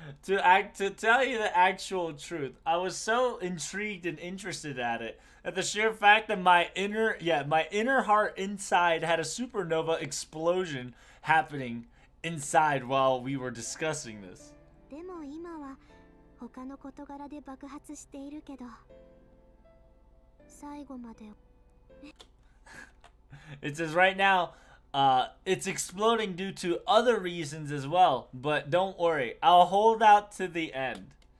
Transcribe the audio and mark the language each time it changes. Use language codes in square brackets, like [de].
[en] To tell you the actual truth, I was so intrigued and interested at it at the sheer fact that my inner heart inside had a supernova explosion happening inside while we were discussing this. [ja] でも今は他の事柄で爆発しているけど、最後まで。 [en] It says right now, it's exploding due to other reasons as well, but don't worry, I'll hold out to the end.